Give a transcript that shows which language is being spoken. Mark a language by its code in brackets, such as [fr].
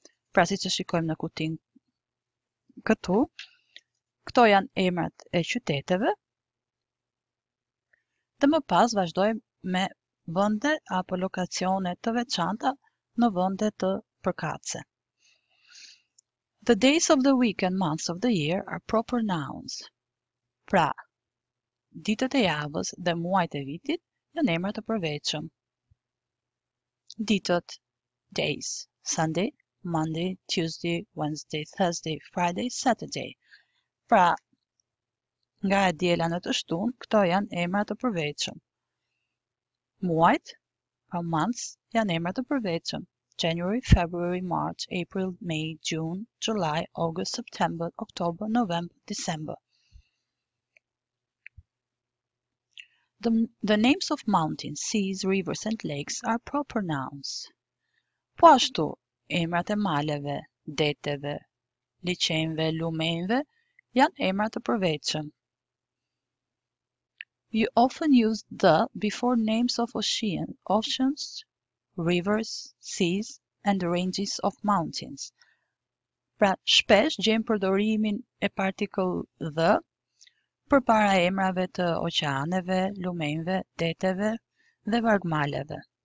[sq] Pra si që shikojmë në kutin këtu, këto janë emrat e qyteteve. Dhe më pas vazhdojmë me vende apo lokacione të veçanta në vende të përkatëse. [en] The days of the week and months of the year are proper nouns. [sq] Pra, ditët e javës dhe muajt e vitit janë emrat e përveçëm. [en] Ditët, days, Sunday, Monday, Tuesday, Wednesday, Thursday, Friday, Saturday. [sq] Pra, nga e diela në të shtunë, këto janë emrat të përveçëm. Muajt, pra months, janë emrat të përveçëm. [en] January, February, March, April, May, June, July, August, September, October, November, December. The names of mountains, seas, rivers, and lakes are proper nouns. [sq] Po ashtu, emrat e maleve, deteve, liqenve, lumenve, janë emrat të përveçëm. [en] You often use the before names of oceans, rivers, seas, and ranges of mountains. [sq] Pra, shpesh gjem përdorimin e particle the përpara emrave të oqeaneve, lumenve, deteve dhe vargmaleve.